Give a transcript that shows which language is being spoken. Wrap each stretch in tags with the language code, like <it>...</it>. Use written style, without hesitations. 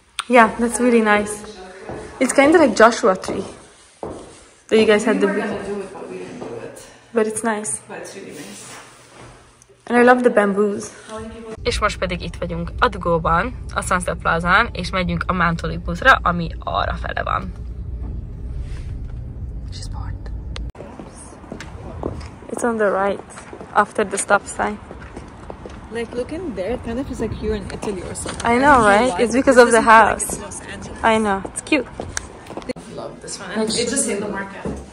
<en>Yeah, that's really nice. It's kind of like Joshua Tree. That you guys had the... We were gonna do it, but we didn't do it. But it's nice. But it's really nice. And I love the bamboos.</en> <hu>És most pedig itt vagyunk a Dugóban, a Sunset Plaza-n, és megyünk a Mántoli buszra, ami arra fele van.</hu> <en>She's bored. It's on the right, after the stop sign. Like, look in there, kind of is like you're in Italy or something. I know, right? It's because of the house. Like, I know, it's cute. Love this one. And it's just in the market.</en>